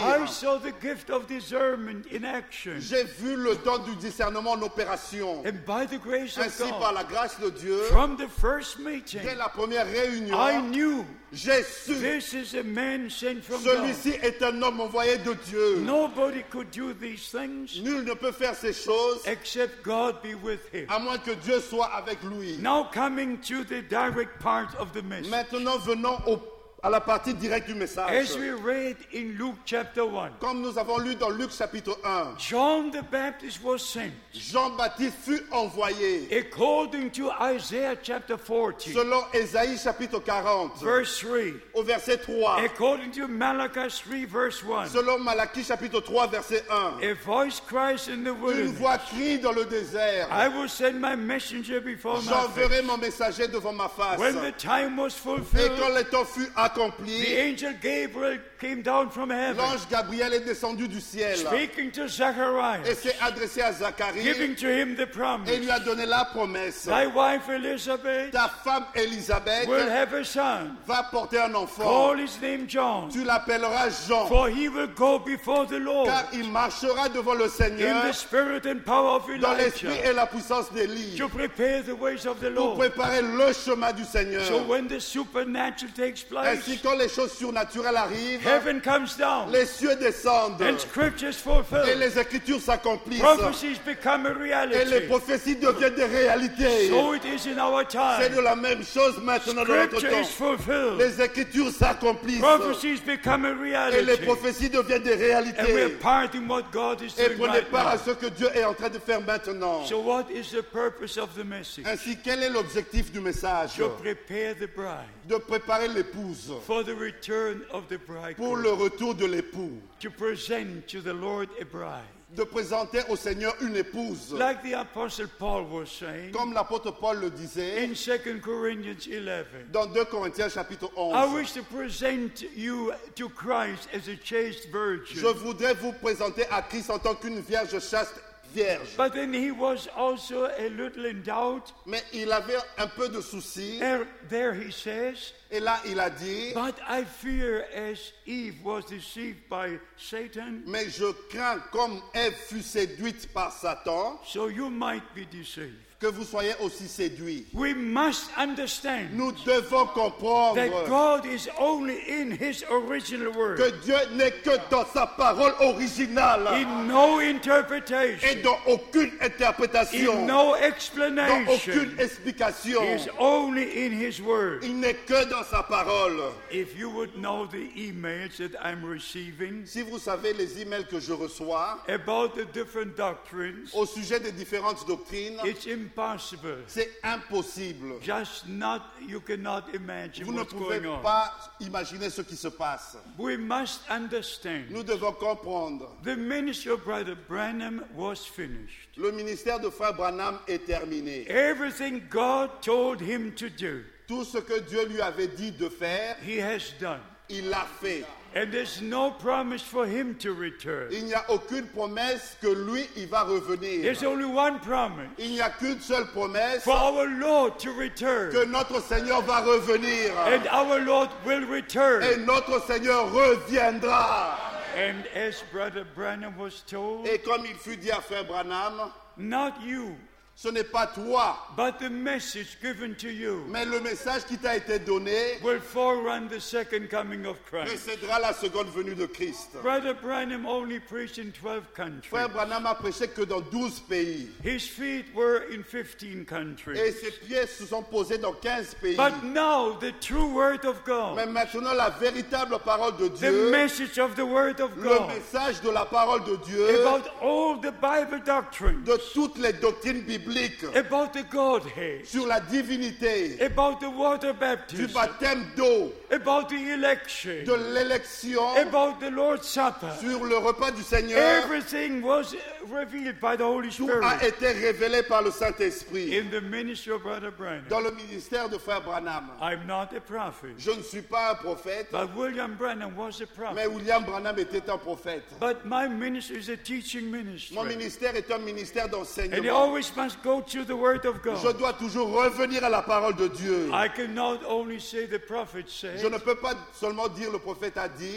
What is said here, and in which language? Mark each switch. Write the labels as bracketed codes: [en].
[en] I saw the gift of discernment in action. [fr] J'ai vu le don du discernement en opération. [en] And by the grace [fr] ainsi, [en] of God, [fr] ainsi par la grâce de Dieu, [en] from the first meeting, [fr] dès la première réunion, [en] I knew. [fr] J'ai su. [en] This is a man sent from [fr] celui-ci [en] God. [fr] Est un homme envoyé de Dieu. [en] Nobody could do these things. [fr] Nul ne peut faire ces choses. [en] Except God be with him. [fr] À moins que Dieu soit avec lui. [en] Now coming to the direct part of the message. [fr] Maintenant venons à la partie directe du message. [en] As we read in Luke chapter 1. [fr] Comme nous avons lu dans Luc chapitre 1. [en] John the Baptist was sent. [fr] Jean-Baptiste fut envoyé. [en] According to Isaiah chapter 40. [fr] Selon Ésaïe chapitre 40. [en] Verse 3. [fr] Au verset 3. [en] According to Malachi 3 verse 1. [fr] Selon Malachi chapitre 3 verset 1. [en] A voice cries in the wilderness. [fr] Une voix crie dans le désert. [en] I will send my messenger before my face. [fr] J'enverrai mon messager devant ma face. [en] When the time was fulfilled. [fr] Et quand le temps fut accompli. [en] The angel Gabriel came down from heaven. [fr] L'ange Gabriel est descendu du ciel. [en] Speaking to Zacharias. [fr] Et s'est adressé à Zacharie. [en] Giving to him the promise. [fr] Et lui a donné la promesse. [en] Thy wife Elizabeth. [fr] Ta femme Elizabeth. [en] Will have a son. [fr] Va porter un enfant. [en] Call his name John. [fr] Tu l'appelleras Jean. [en] For he will go before the Lord. [fr] Car il marchera devant le Seigneur. [en] In the spirit and power of Elijah. [fr] Dans l'esprit et la puissance d'Élie. [en] To prepare the ways of the Lord. [fr] Pour préparer le chemin du Seigneur. [en] So when the supernatural takes place. [fr] Ainsi, quand les choses surnaturelles arrivent, [en] heaven comes down, [fr] les cieux descendent [en] and scriptures fulfilled, [fr] et les écritures s'accomplissent. [en] Prophecies become a reality. [fr] Et les prophéties deviennent des réalités. [en] So it is in our time. [fr] C'est de la même chose maintenant dans notre temps. [en] Fulfilled. [fr] Les écritures s'accomplissent. [en] Prophecies become a reality. [fr] Et les prophéties deviennent des réalités. [en] And we're part in what God is doing [fr] et prenez part [en] right [fr] à ce que Dieu est en train de faire maintenant. [en] So what is the purpose of the message? [fr] Ainsi, quel est l'objectif du message? [en] To prepare the bride. [fr] De préparer l'épouse [en] for the return of the bridegroom, [fr] pour le retour de l'époux. [en] To present to the Lord a bride. [fr] De présenter au Seigneur une épouse. [en] Like the Apostle Paul was saying, [fr] comme l'apôtre Paul le disait [en] in 2 Corinthians 11, [fr] dans 2 Corinthiens chapitre 11. [en] I wish to present you to Christ as a chaste virgin. [fr] Je voudrais vous présenter à Christ en tant qu'une vierge chaste. [en] But then he was also a little in doubt. [fr] Mais il avait un peu de soucis. [en] And there he says. [fr] Et là il a dit. [en] But I fear as Eve was deceived by Satan. [fr] Mais je crains comme Eve fut séduite par Satan. [en] So you might be deceived. [fr] Que vous soyez aussi séduits. [en] We must understand. [fr] Nous devons comprendre. [en] That God is only in his original word. [fr] Que Dieu n'est que dans sa parole originale. [en] In no interpretation. [fr] Et dans aucune interprétation. [en] In no explanation. [fr] Dans aucune explication. [en] He is only in his word. [fr] Il n'est que dans sa parole. [en] If you would know the emails that I'm receiving. [fr] Si vous savez les emails que je reçois. [en] About the different doctrines. [fr] Au sujet des différentes doctrines. [en] Impossible. [fr] C'est impossible. [en] Just not, you cannot imagine [fr] vous [en] what's [fr] ne pouvez [en] going [fr] pas [en] on. [fr] Imaginer ce qui se passe. [en] We must understand. [fr] Nous devons comprendre. [en] The ministry of Brother Branham was finished. [fr] Le ministère de Frère Branham est terminé. [en] Everything God told him to do. [fr] Tout ce que Dieu lui avait dit de faire. [en] He has done. [fr] Il l'a fait. [en] And there's no promise for him to return. [fr] Il n'y a aucune promesse que lui il va revenir. [en] There's only one promise. [fr] Il n'y a qu'une seule promesse. [en] For our Lord to return. [fr] Que notre Seigneur va revenir. [en] And our Lord will return. [fr] Et notre Seigneur reviendra. [en] And as Brother Branham was told. [fr] Et comme il fut dit à Frère Branham. [en] Not you. [fr] Ce n'est pas toi. [en] But the message given to you. [fr] Mais le message qui t'a été donné. [en] Will forerun the second coming of Christ. [fr] Précédera la seconde venue de Christ. [en] Brother Branham only preached in 12 countries. [fr] Frère Branham a prêché que dans 12 pays. [en] His feet were in 15 countries. [fr] Et ses pieds se sont posés dans 15 pays. [en] But now the true word of God. [fr] Mais maintenant la véritable parole de Dieu. [en] The message of the word of God. [fr] Le message de la parole de Dieu. [en] About all the Bible doctrines. [fr] De toutes les doctrines bibliques. [en] About the Godhead, [fr] sur la divinité, [en] about the water baptism, [fr] du baptême d'eau, [en] about the election, [fr] de l'élection, [en] about the Lord's Supper, [fr] sur le repas du Seigneur, [en] everything was revealed by the Holy Spirit. [fr] Tout a été révélé par le Saint-Esprit. [en] In the ministry of Brother Branham, [fr] dans le ministère de Frère Branham, [en] I'm not a prophet, [fr] je ne suis pas un prophète, [en] but William Branham was a prophet. [fr] Mais William Branham était un prophète. [en] But my ministry is a teaching ministry. [fr] Mon ministère est un ministère d'enseignement. [en] And he always must go to the word of God. [fr] Je dois toujours revenir à la parole de Dieu. [en] I cannot only say the prophet said. [fr] Je ne peux pas seulement dire le prophète a dit.